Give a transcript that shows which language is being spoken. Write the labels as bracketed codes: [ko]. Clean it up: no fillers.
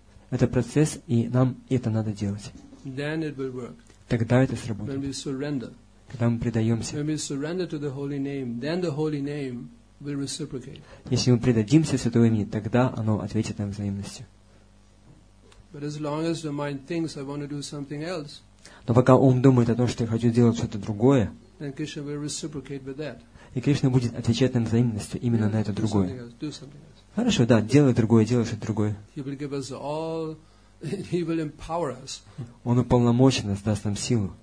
[ru] Это процесс, и нам это надо делать. [en] Then it will work. [ru] Тогда это сработает. [en] When we surrender. [ru] Когда мы предаемся. [en] When we surrender to the holy name, then the holy name will reciprocate. [ru] Если мы предадимся Святому имени, тогда оно ответит нам взаимностью. [en] But as long as the mind thinks I want to do something else. [ru] Но пока ум думает о том, что я хочу делать что-то другое. [en] Then Krishna will reciprocate with that. [ru] И Кришна будет отвечать нам взаимностью именно на это другое. [en] Do something else. [ru] Хорошо, да, делай другое, делай что-то другое. [en] He will give us all. He will empower us. [ru] Он уполномочен нас, даст нам силу,